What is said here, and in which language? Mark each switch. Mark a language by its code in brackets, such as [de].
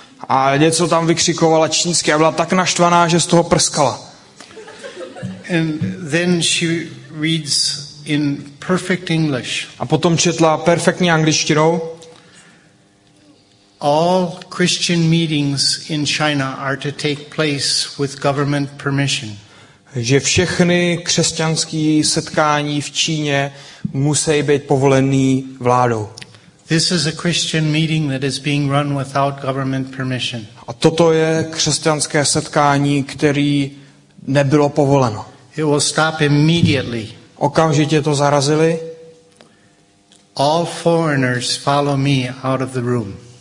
[cs] A něco tam vykřikovala čínsky a byla tak naštvaná, že z toho prskala. [en] And then she reads in perfect English. [cs] A potom četla perfektní angličtinou. [en] All Christian meetings in China are to take place with government permission. [cs] Že všechny křesťanské setkání v Číně musí být povolený vládou. [en] This is a Christian meeting that is being run without government permission. [cs] A toto je křesťanské setkání, které nebylo povoleno. [en] It will stop immediately. [cs] Okamžitě to zarazili. [en] All foreigners follow me out of the room.